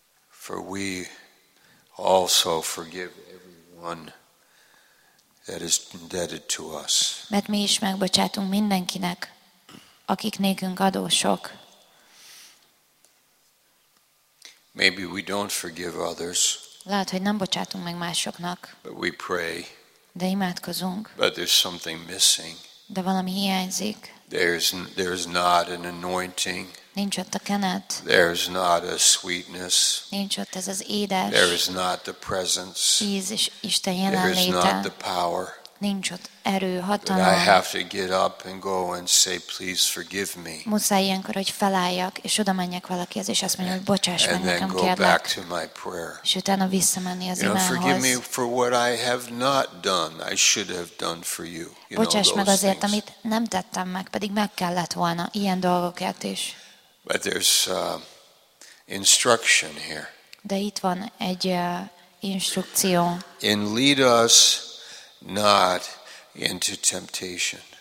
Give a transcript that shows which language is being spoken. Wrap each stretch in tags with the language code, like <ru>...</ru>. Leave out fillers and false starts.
<en>For we also forgive everyone that is indebted to us.</en> <hu>Mert mi is megbocsátunk mindenkinek, akik nékünk adósok.</hu> <en>Maybe we don't forgive others.</en> <hu>Lehet, hogy nem bocsátunk meg másoknak.</hu> <en>But we pray.</en> <hu>De imádkozunk.</hu> <en>But there's something missing.</en> <hu>De valami hiányzik.</hu> <en>There's not an anointing.</en> <hu>Nincs ott a kenet.</hu> <en>There's not a sweetness.</en> <hu>Nincs ott ez az édes.</hu> <en>There is not the presence.</en> <hu>Jézus Isten jelenléte.</hu> <en>There is not the power.</en> <hu>Nincs ott erő, hatalom.</hu> <en>But I have to get up and go and say, please forgive me.</en> <hu>Muszáj ilyenkor, hogy felálljak, és oda menjek valakihez, és azt mondjam, hogy bocsáss meg nekem, kérlek.</hu> <en>And then go back to my prayer.</en> <hu>És utána visszamenni az imához.</hu> <en>Forgive me for what I have not done, I should have done for you.</en> <hu>Bocsáss meg azért, amit nem tettem meg, pedig meg kellett volna ilyen dolgokért is.</hu> <en>But there's instruction here.</en> <hu>De itt van egy instrukció.</hu> <en>And lead us not into temptation.</en>